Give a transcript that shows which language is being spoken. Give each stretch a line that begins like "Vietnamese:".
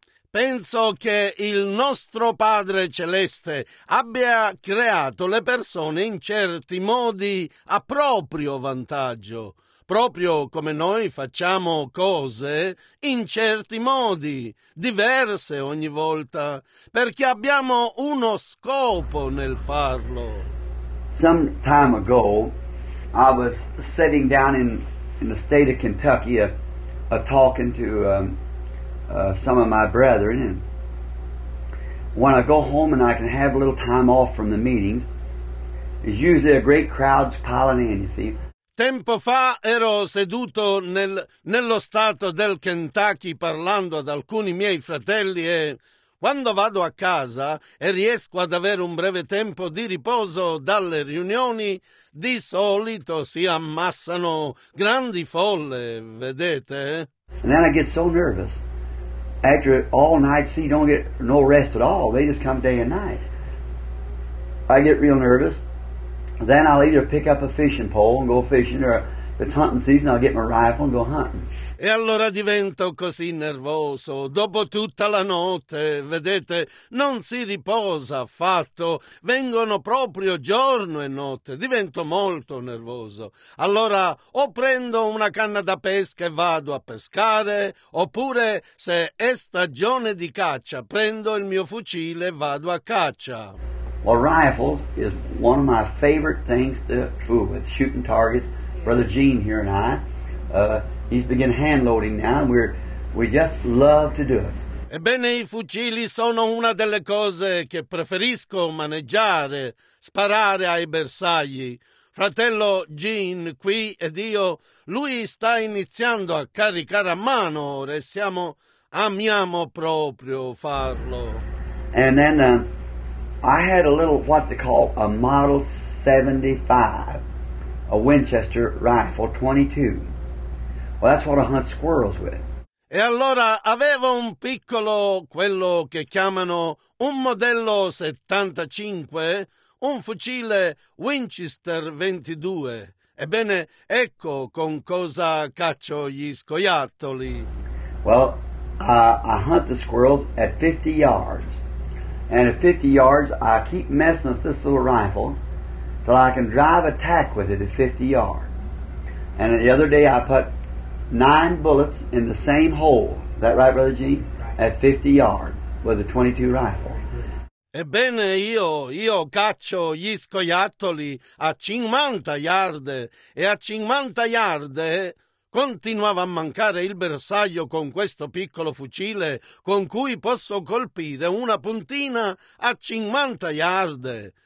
Italian: Penso che il nostro Padre Celeste abbia creato le persone in certi modi a proprio vantaggio, proprio come noi facciamo cose in certi modi, diverse ogni volta, perché abbiamo uno scopo nel farlo.
English: Some time ago, I was sitting down in the state of Kentucky talking to some of my brethren, and when I go home and I can have a little time off from the meetings, it's usually a great crowd's piling in, you see.
Italian: Tempo fa ero seduto nello stato del Kentucky parlando ad alcuni miei fratelli e quando vado a casa e riesco ad avere un breve tempo di riposo dalle riunioni, di solito si ammassano grandi folle, vedete?
English: And then I get so nervous. After all night, see, don't get no rest at all. They just come day and night. I get real nervous. Then I'll either pick up a fishing pole and go fishing, or if it's hunting season, I'll get my rifle and go hunting.
Italian: E allora divento così nervoso, dopo tutta la notte, vedete, non si riposa affatto, vengono proprio giorno e notte, divento molto nervoso. Allora o prendo una canna da pesca e vado a pescare, oppure se è stagione di caccia, prendo il mio fucile e vado a caccia.
English: Well, rifles is one of my favorite things to fool with, shooting targets, Brother Gene here and I, He's begin hand loading now, and we just love to do it.
Italian: Ebbene, i fucili sono una delle cose che preferisco maneggiare, sparare ai bersagli. Fratello Gene qui ed io, lui sta iniziando a caricare a mano ora, e amiamo proprio farlo.
English: And then I had a little what they call a Model 75, a Winchester rifle 22. Well, that's what I hunt squirrels with.
Italian: E allora avevo un piccolo, quello che chiamano un modello 75, un fucile Winchester 22. Ebbene, ecco con cosa caccio gli scoiattoli.
English: Well, I hunt the squirrels at 50 yards. And at 50 yards, I keep messing with this little rifle till I can drive a tack with it at 50 yards. And the other day I put 9 bullets in the same hole, is that right, Brother Gene? At 50 yards with a 22 rifle.
Italian: Ebbene, io caccio gli scoiattoli a 50 yard, e a 50 yard continuava a mancare il bersaglio con questo piccolo fucile con cui posso colpire una puntina a 50 yard.